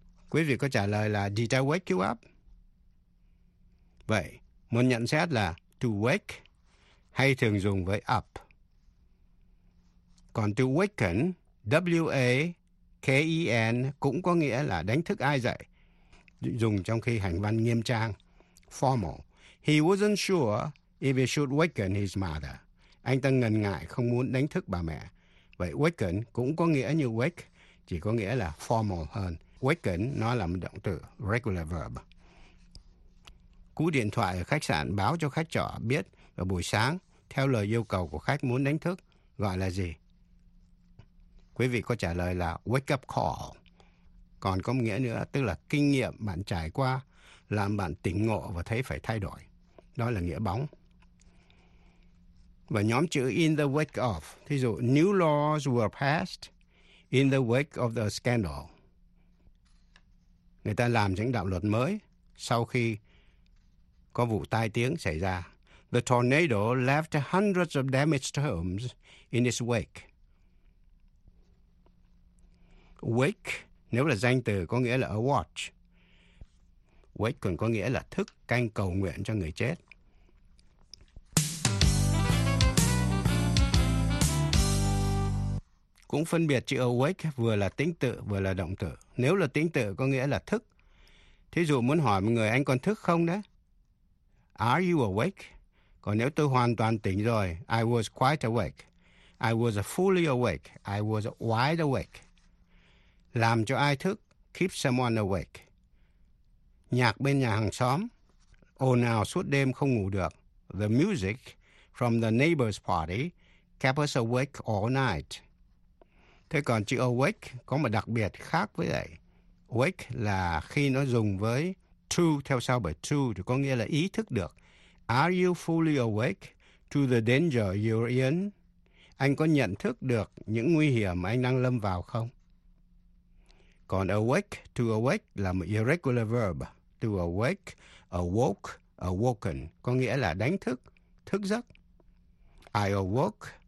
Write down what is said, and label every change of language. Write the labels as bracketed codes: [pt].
[vi] Quý vị có trả lời là did I wake you up? Vậy, một nhận xét là to wake hay thường dùng với up. Còn to waken, W-A-K-E-N cũng có nghĩa là đánh thức ai dậy. Dùng trong khi hành văn nghiêm trang, formal. [en] He wasn't sure if he should waken his mother. [vi] Anh ta ngần ngại không muốn đánh thức bà mẹ. Vậy waken cũng có nghĩa như wake, chỉ có nghĩa là formal hơn. Waken nó là một động từ, regular verb. Cú điện thoại ở khách sạn báo cho khách trọ biết vào buổi sáng, theo lời yêu cầu của khách muốn đánh thức, gọi là gì? Quý vị có trả lời là wake up call. Còn có nghĩa nữa, tức là kinh nghiệm bạn trải qua làm bạn tỉnh ngộ và thấy phải thay đổi. Đó là nghĩa bóng. Và nhóm chữ in the wake of, thí dụ [en] new laws were passed in the wake of the scandal. [vi] Người ta làm những đạo luật mới sau khi có vụ tai tiếng xảy ra. [en] The tornado left hundreds of damaged homes in its wake. [vi] Wake, nếu là danh từ có nghĩa là a watch. Wake còn có nghĩa là thức, canh cầu nguyện cho người chết. Cũng phân biệt chữ awake vừa là tính tự vừa là động từ. Nếu là tính tự có nghĩa là thức. Thí dụ muốn hỏi một người anh còn thức không đấy? [en] Are you awake? [vi] Còn nếu tôi hoàn toàn tỉnh rồi, [en] I was quite awake. I was fully awake. I was wide awake. [vi] Làm cho ai thức, [en] keep someone awake. [vi] Nhạc bên nhà hàng xóm, ồn ào suốt đêm không ngủ được. [en] The music from the neighbor's party kept us awake all night. [vi] Thế còn chữ awake có một đặc biệt khác với vậy. Wake là khi nó dùng với to, theo sau bởi to thì có nghĩa là ý thức được. [en] Are you fully awake to the danger you're in? [vi] Anh có nhận thức được những nguy hiểm mà anh đang lâm vào không? Còn awake, to awake là một irregular verb. To awake, awoke, awoken, có nghĩa là đánh thức, thức giấc. [en] I awoke